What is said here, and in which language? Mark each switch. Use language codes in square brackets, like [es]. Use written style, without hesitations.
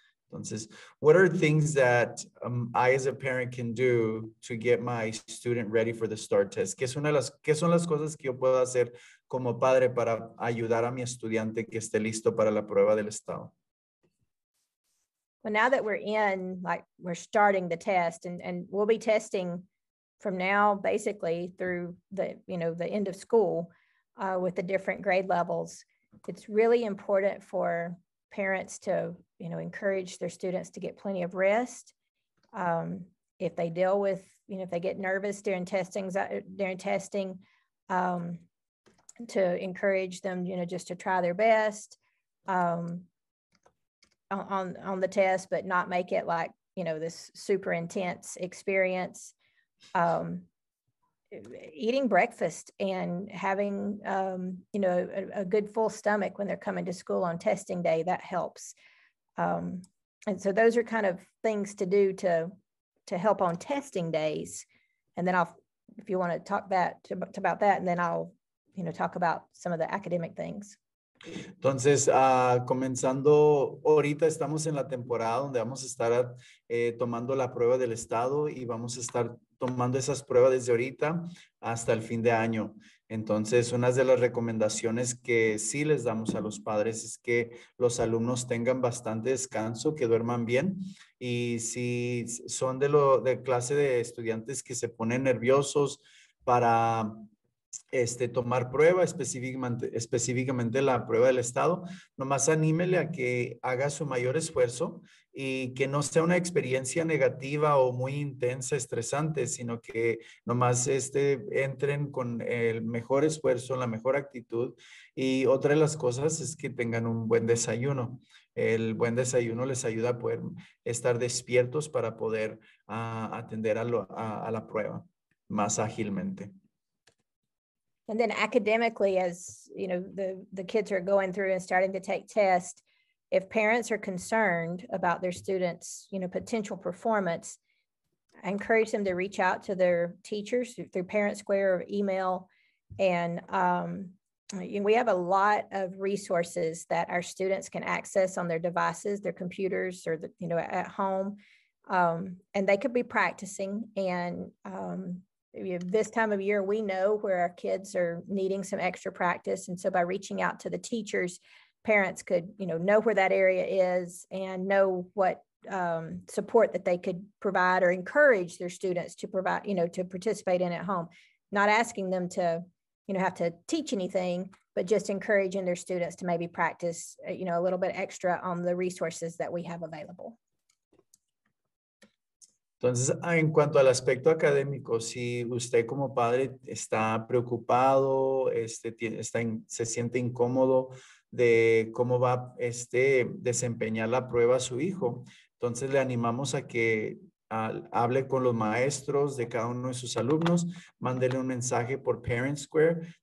[en] Entonces, what are things that I as a parent can do to get my student ready for the STAR test? [es] ¿Qué son las cosas que yo puedo hacer como padre para ayudar a mi estudiante que esté listo para la prueba del estado? [en] Well, now that we're in, we're starting the test, and we'll be testing from now basically through the end of school with the different grade levels, it's really important for parents to encourage their students to get plenty of rest. If they deal with, if they get nervous during testing, to encourage them, just to try their best on the test, but not make it this super intense experience. Eating breakfast and having a good full stomach when they're coming to school on testing day, that helps. And so those are kind of things to do to help on testing days. And then if you want to talk about that, and then I'll talk about some of the academic things. [es] Entonces, comenzando ahorita, estamos en la temporada donde vamos a estar tomando la prueba del estado y vamos a estar tomando esas pruebas desde ahorita hasta el fin de año. Entonces, una de las recomendaciones que sí les damos a los padres es que los alumnos tengan bastante descanso, que duerman bien. Y si son de clase de estudiantes que se ponen nerviosos para tomar prueba, específicamente la prueba del estado, nomás anímele a que haga su mayor esfuerzo y que no sea una experiencia negativa o muy intensa, estresante, sino que nomás entren con el mejor esfuerzo, la mejor actitud. Y otra de las cosas es que tengan un buen desayuno. El buen desayuno les ayuda a poder estar despiertos para poder atender a la prueba más ágilmente. [en] And then academically, as you know, the kids are going through and starting to take tests, if parents are concerned about their students' potential performance, I encourage them to reach out to their teachers through Parent Square or email. And we have a lot of resources that our students can access on their devices, their computers, or at home, and they could be practicing. And this time of year, we know where our kids are needing some extra practice. And so by reaching out to the teachers, parents could, know where that area is and know what support that they could provide or encourage their students to provide, to participate in at home. Not asking them to, have to teach anything, but just encouraging their students to maybe practice, a little bit extra on the resources that we have available. [es] Entonces, en cuanto al aspecto académico, si usted como padre está preocupado, se siente incómodo de cómo va desempeñar la prueba a su hijo, entonces le animamos a que hable con los maestros de cada uno de sus alumnos, mándele un mensaje por Parent Square.